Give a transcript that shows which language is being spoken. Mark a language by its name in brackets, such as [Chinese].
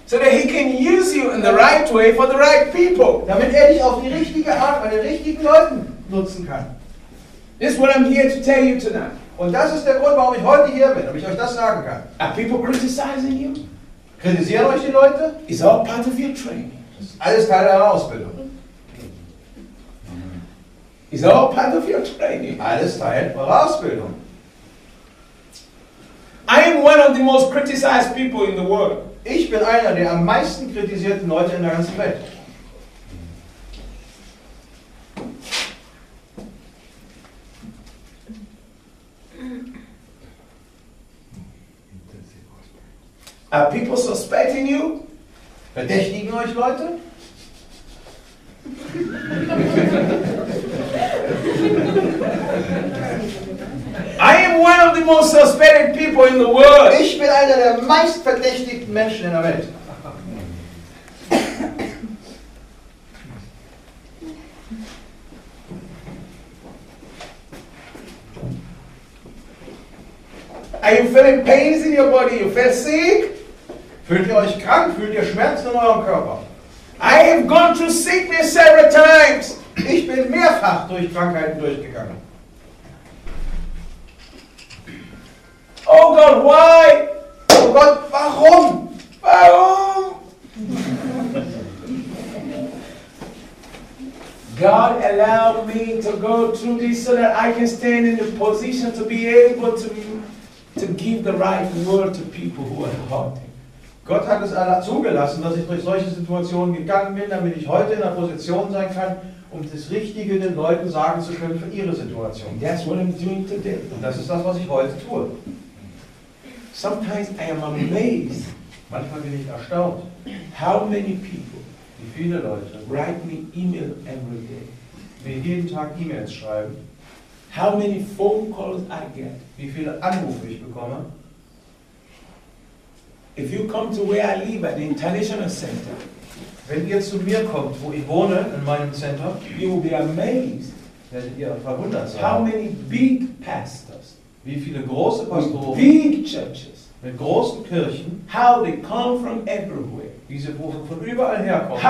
[English] so that he can use you in the right way for the right people. [German] Damit er dich auf die richtige Art bei den richtigen Leuten nutzen kann. [English] This is what I'm here to tell you tonight. [German] Und das ist der Grund, warum ich heute hier bin, ob ich euch das sagen kann. [English] Are people criticizing you? [German] Kritisieren euch die Leute? [English] It's all part of your training. [German] Das ist alles Teil deiner Ausbildung. [English] It's all part of your training. [German] Alles Teil eurer Ausbildung. [English] I am one of the most criticized people in the world. [German] Ich bin einer der am meisten kritisierten Leute in der ganzen Welt. [English] Are people suspecting you? [German] Verdächtigen euch Leute? [English] I am one of the most suspected people in the world. [German] Ich bin einer der meist verdächtigten Menschen in der Welt. [English] Are you feeling pains in your body? You feel sick? [German] Fühlt ihr euch krank? Fühlt ihr Schmerzen in eurem Körper? [English] I have gone through sickness several times. [German] Ich bin mehrfach durch Krankheiten durchgegangen. [English] Oh God, why? [German] Oh Gott, warum? Warum? [English] God allowed me to go through this so that I can stand in the position to be able to give the right word to people who are hurting. [German] Gott hat es zugelassen, dass ich durch solche Situationen gegangen bin, damit ich heute in der Position sein kann, um das Richtige den Leuten sagen zu können für ihre Situation. [English] That's what I'm doing today. [German] Und das ist das, was ich heute tue. [English] Sometimes I am amazed. [German] Manchmal bin ich erstaunt. [English] How many people? [German] Wie viele Leute? [English] Write me email every day. [German] Mir jeden Tag E-Mails schreiben. [English] How many phone calls I get? [German] Wie viele Anrufe ich bekomme? [English] If you come to where I live at the International Center. [German] Wenn ihr zu mir kommt, wo ich wohne, in meinem Center, [English] you will be amazed. [German] Werdet ihr verwundert sein. [English] How many big pastors? [German] Wie viele große Pastoren? [English] Big churches. [German] Mit großen Kirchen. [English] How they come from everywhere. [German] Diese Buche von überall herkommen.